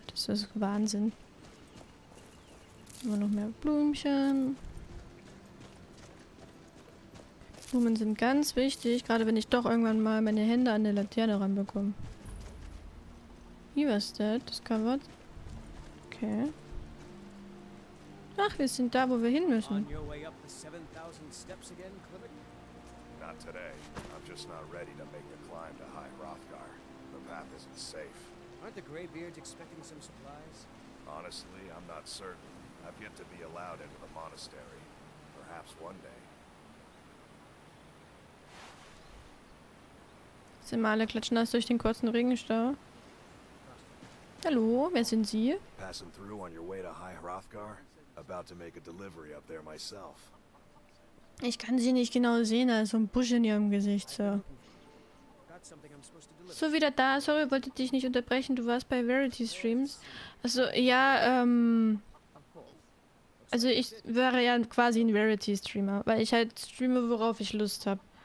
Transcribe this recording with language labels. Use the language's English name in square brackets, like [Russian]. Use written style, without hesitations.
[German] Das ist Wahnsinn. Immer noch mehr Blümchen. Blumen sind ganz wichtig, gerade wenn ich doch irgendwann mal meine Hände an der Laterne ranbekomme. [English] Beaver's Dead discovered. [German] Okay. Ach, wir sind da, wo wir hin müssen. [English] On your way up the 7,000 steps again, Clivic? Not today. I'm just not ready to make the climb to High Hrothgar. The path isn't safe. Aren't the Greybeards expecting some supplies? Honestly, I'm not certain. I've yet to be allowed into the monastery. Perhaps one day. [German] Sind mal alle klatschnass durch den kurzen Regenstau. Hallo, wer sind Sie? [English] Passing through on your way to High Hrothgar, about to make a delivery up there myself. [German] Ich kann sie nicht genau sehen, da ist so ein Busch in ihrem Gesicht, so. So, wieder da. Sorry, wollte dich nicht unterbrechen. Du warst bei Verity Streams. Also, ja, also, ich wäre ja quasi ein Verity Streamer, weil ich halt streame, worauf ich Lust habe.